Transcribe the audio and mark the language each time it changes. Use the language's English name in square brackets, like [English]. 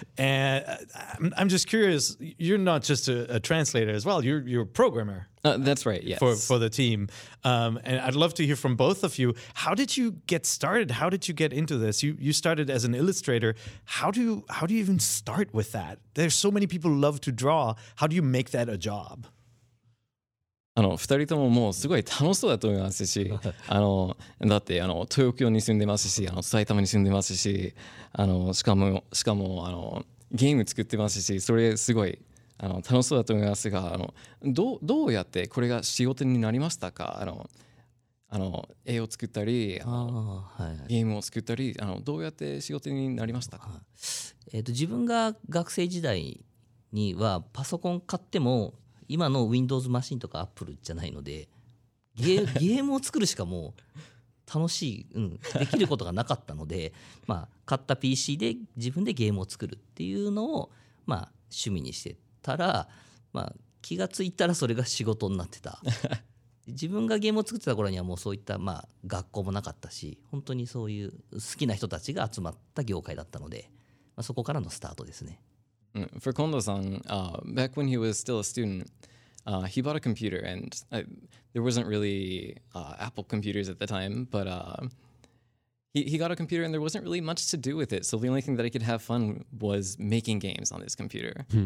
[English] And I'm just curious, you're not just a translator as well, you're a programmer. That's right, yes. For the team. And I'd love to hear from both of you. How did you get started? How did you get into this? You started as an illustrator. How do you even start with that? There's so many people who love to draw. How do you make that a job? [Japanese] 2人とももうすごい楽しそうだと思いますし、だって東京に住んでますし、埼玉に住んでますし、しかもゲーム作ってますし、それすごい楽しそうだと思いますが、どうやってこれが仕事になりましたか？絵を作ったり、ゲームを作ったり、どうやって仕事になりましたか？自分が学生時代にはパソコン買っても今の Windows マシンとか Apple じゃないので、 ゲームを作るしかもう楽しい、できることがなかったので、まあ、買った PC で自分でゲームを作るっていうのを、まあ、趣味にしてたら、まあ、気がついたらそれが仕事になってた。自分がゲームを作ってた頃にはもうそういった、まあ、学校もなかったし、本当にそういう好きな人たちが集まった業界だったので、まあ、そこからのスタートですね。 [English] For Kondo-san, back when he was still a student, he bought a computer, and there wasn't really Apple computers at the time, but he got a computer and there wasn't really much to do with it, so the only thing that he could have fun was making games on this computer.